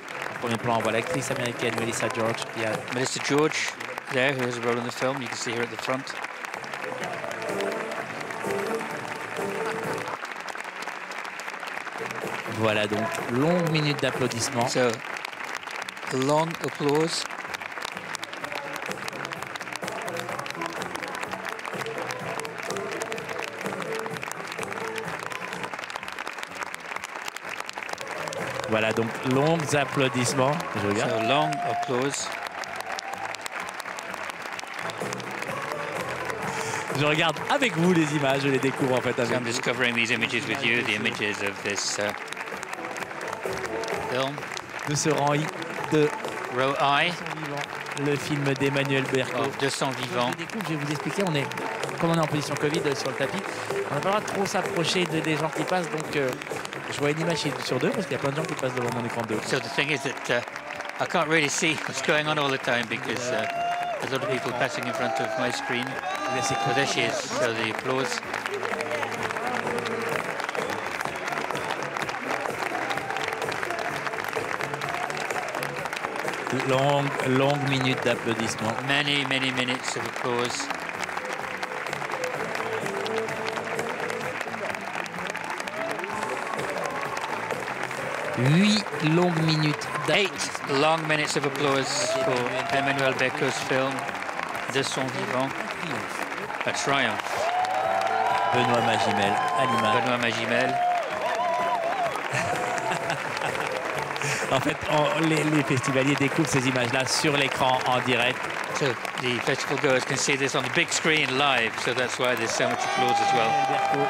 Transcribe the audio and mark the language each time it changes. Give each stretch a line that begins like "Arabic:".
French: En premier plan, on voit l'actrice américaine Melissa George.
English: Yeah. Melissa George, there, who has a role in the film. You can see her at the front.
French: Voilà donc, longue minute d'applaudissement.
English: So, long applause.
French: Voilà donc, longs applaudissements. Je regarde.
English: So, long applause.
French: Je regarde avec vous les images, je les découvre en fait avec vous.
English: I'm discovering these images with you, the images of this film.
French: De ce rang I, de
English: Row I,
French: le film d'Emmanuel Berko. De sang vivant. Je les découvre, je vais vous expliquer, on est, comme on est en position Covid sur le tapis, on n'a pas le droit de trop s'approcher des gens qui passent, donc je vois une image sur deux, parce qu'il y a plein de gens qui passent devant mon écran de deux.
English: So the thing is that I can't really see what's going on all the time, because there's a lot of people passing in front of my screen. So there she is, so the applause.
French: Longue minute d'applaudissement.
English: Many, many minutes of applause.
French: Huit longues minutes.
English: Eight long minutes of applause for Emmanuel Berko's film De son vivant. A triumph.
French: Benoît Magimel, Anima. Benoît Magimel. En fait, les festivaliers découvrent ces images-là sur l'écran en direct.
English: So the festival goers can see this on the big screen live. So that's why there's so much applause as well.